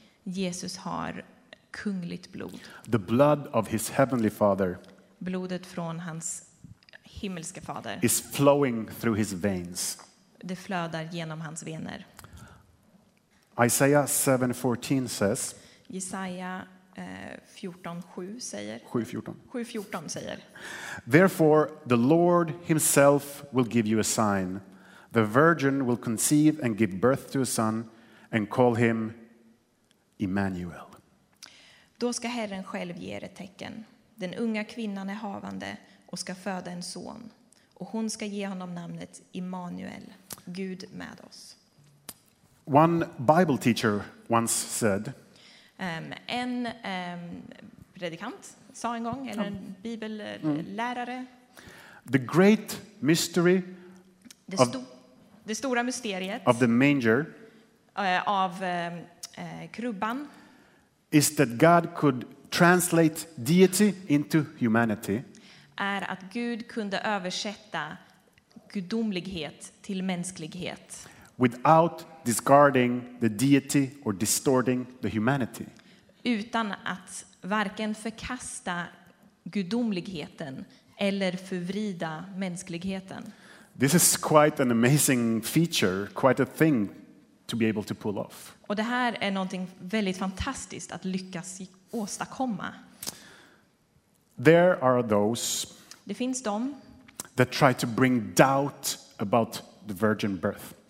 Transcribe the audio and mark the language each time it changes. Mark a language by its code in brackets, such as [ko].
[sv] Jesus har kungligt blod. [en] The blood of his heavenly father. [sv] Blodet från hans himmelska fader. [en] Is flowing through his veins. [sv] Det flödar genom hans vener. [en] Isaiah 7:14 says. [sv] Jesaja 14:7 säger. 7:14. 7:14 säger. [en] Therefore the Lord himself will give you a sign. The virgin will conceive and give birth to a son and call him Emmanuel. [sv] Då ska Herren själv ge er ett tecken. Den unga kvinnan är havande och ska föda en son. Och hon ska ge honom namnet Emmanuel, Gud med oss. [en] One Bible teacher once said. [sv] En predikant sa en gång, eller en bibellärare. [en] The great mystery [sv] of det stora mysteriet [en] of the manger [sv] av krubban [en] is that God could translate deity into humanity. [sv] Är att Gud kunde översätta gudomlighet till mänsklighet [en] without discarding the deity or distorting the humanity. [sv] Utan att varken förkasta gudomligheten eller förvrida mänskligheten. [en] This is quite an amazing feature, quite a thing to be able to pull off. [sv] Och det här är någonting väldigt fantastiskt att lyckas åstadkomma. [en] There are those. [sv] Det finns de. [en] That try to bring doubt about the virgin birth.